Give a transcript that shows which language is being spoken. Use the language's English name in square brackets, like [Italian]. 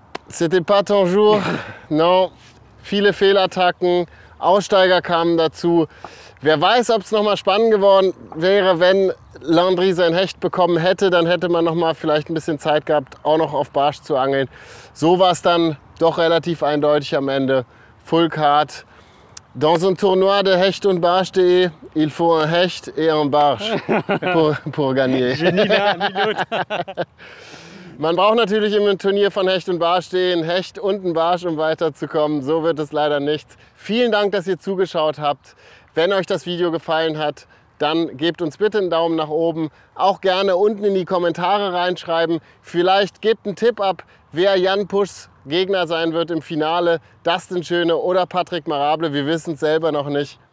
[French] C'était pas ton jour. Non. [German] Viele Fehlattacken, Aussteiger kamen dazu. Wer weiß, ob es nochmal spannend geworden wäre, wenn Landry sein Hecht bekommen hätte. Dann hätte man nochmal vielleicht ein bisschen Zeit gehabt, auch noch auf Barsch zu angeln. So war es dann. Doch relativ eindeutig am Ende. Full card. [French] Dans un tournoi de Hecht und Barsch.de, il faut un Hecht et un Barsch pour gagner. [German] Man braucht natürlich im Turnier von Hecht und Barsch.de ein Hecht und ein Barsch, um weiterzukommen. So wird es leider nicht. Vielen Dank, dass ihr zugeschaut habt. Wenn euch das Video gefallen hat, dann gebt uns bitte einen Daumen nach oben. Auch gerne unten in die Kommentare reinschreiben. Vielleicht gebt einen Tipp ab, wer Jan Puschs Gegner sein wird im Finale, Dustin Schöne oder Patrick Marable, wir wissen es selber noch nicht.